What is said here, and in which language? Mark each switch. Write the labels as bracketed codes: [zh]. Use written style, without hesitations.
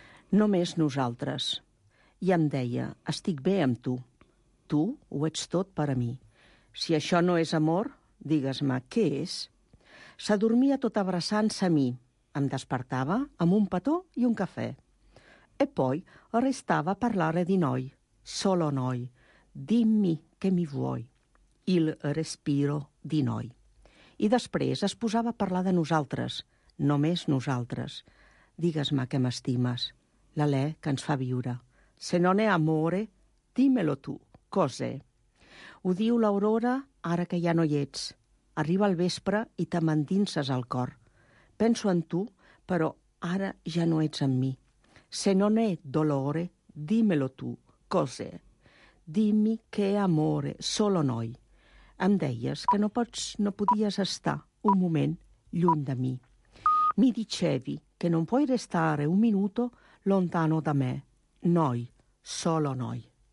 [ca] Només nosaltres. I em deia, estic bé amb tu. Tu ho ets tot per a mi. Si això no és amor, digues-me, què és? S'adormia tot abraçant-se a mi. Em despertava amb un petó i un cafè. [it] E poi restava a parlare di noi, solo noi. Dimmi che mi vuoi. Il respiro di noi. [ca] I després es posava a parlar de nosaltres, només nosaltres. Digues-me que m'estimes, l'alè que ens fa viure. [it] Se non è amore, dimmelo tu, cos'è? [ca] Ho diu l'aurora ara que ja no hi ets. Arriba el vespre i te m'endinses al cor. Penso en tu, però ara ja no ets amb mi. [it] Se non è dolore, dimmelo tu, cos'è? Dimmi che amore, solo noi. [ca] Em deies que no podies estar un moment lluny de mi. [it] Mi dicevi che non puoi restare un minuto lontano da me, noi, solo noi.